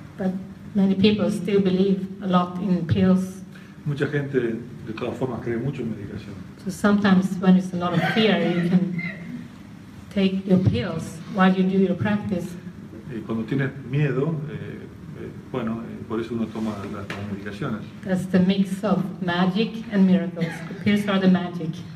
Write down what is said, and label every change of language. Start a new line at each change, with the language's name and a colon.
English: But many people still believe a lot in pills.
Spanish: Mucha gente de todas formas cree mucho en medicación.
English: So sometimes when it's a lot of fear, you can take your pills while you do your practice.
Spanish: Y cuando tienes miedo, por eso uno toma las medicaciones.
English: That's the mix of magic and miracles. The pills are the magic.